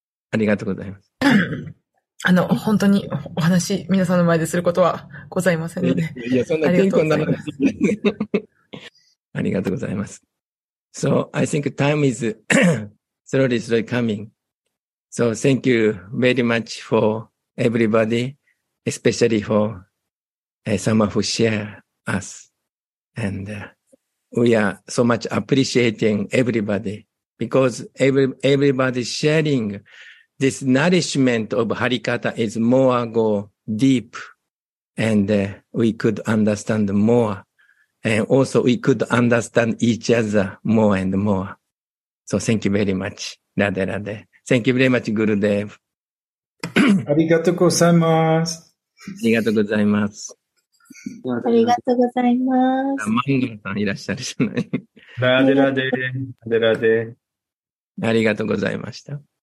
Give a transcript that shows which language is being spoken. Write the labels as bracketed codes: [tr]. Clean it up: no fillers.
[ja] ありがとうございます。本当にお話、皆さんの前ですることはございませんので。いや、そんな謙虚なのです。ありがとうございます。 [en] So, I think time is slowly, slowly coming. So, thank you very much for everybody, especially for someone who share us. And we are so much appreciating everybody because everybody sharing this nourishment of Harikata is more go deep and we could understand more. And also we could understand each other more and more. So thank you very much, Rade Rade. Thank you very much, Gurudev. [ja] ありがとうございます。ありがとうございます。ありがとうございます。マンガさんいらっしゃるじゃない。 [hi] Rade Rade, Rade Rade. [ja] ありがとうございました。